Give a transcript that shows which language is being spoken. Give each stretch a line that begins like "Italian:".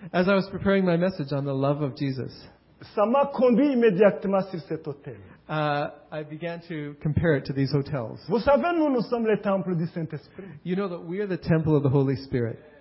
English: as I was preparing my message on the love of Jesus,
French: ça m'a conduit immédiatement sur cet hôtel.
English: I began to compare it to these hotels.
French: Vous savez, nous sommes le temple du Saint-Esprit.
English: You know that we are the temple of the Holy Spirit.